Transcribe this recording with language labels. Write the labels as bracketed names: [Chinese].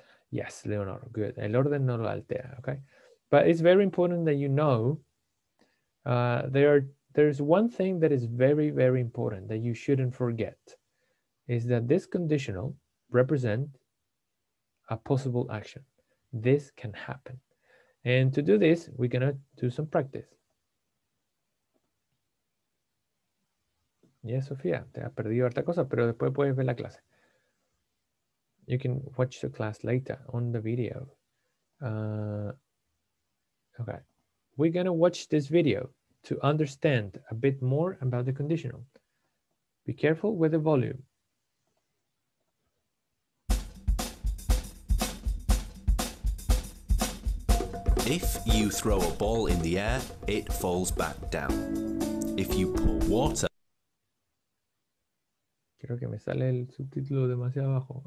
[English] Yes, Leonardo, good. [Spanish] El orden no lo altera, [English] okay? But it's very important that you know there's one thing that is very, very important that you shouldn't forget, is that this conditional represents a possible action. This can happen. And to do this, we're going to do some practice. Yeah, [Spanish] Sofía, te has perdido harta cosa, pero después puedes ver la clase. [English] You can watch the class later on the video. Okay. We're going to watch this video to understand a bit more about the conditional. Be careful with the volume. If you throw a ball in the air, it falls back down. If you pour water... [Spanish] Creo que me sale el subtítulo demasiado abajo.